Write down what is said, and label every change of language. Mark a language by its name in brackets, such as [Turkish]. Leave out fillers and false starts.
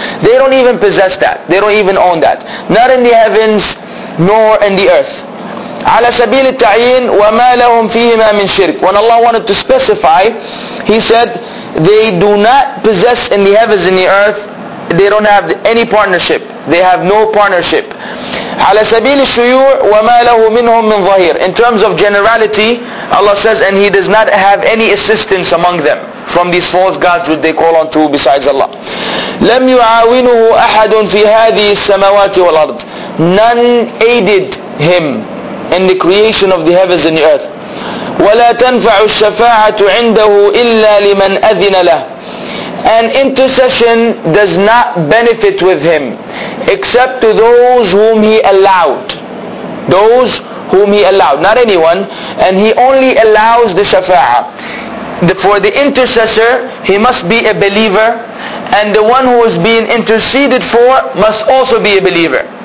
[English] They don't even possess that. They don't even own that. Not in the heavens, nor in the earth. [Arabic] عَلَى سَبِيلِ التَّعْيِينِ وَمَا لَهُمْ فِيهِمَا مِنْ شِرْكٍ. [English] When Allah wanted to specify, He said, they do not possess in the heavens and the earth, they don't have any partnership. They have no partnership. [Arabic] على سبيل الشيوع وما له منهم من ظهير. [English] In terms of generality, Allah says, and He does not have any assistance among them from these false gods which they call on to besides Allah. [Arabic] لم يعاونه أحد في هذه السماوات والأرض. [English] None aided Him in the creation of the heavens and the earth. [Arabic] ولا تنفع الشفاعة عنده إلا لمن أذن له. [English] And intercession does not benefit with Him except to those whom He allowed. Those whom He allowed, not anyone. And He only allows the shafa'ah. For the intercessor, he must be a believer. And the one who is being interceded for must also be a believer.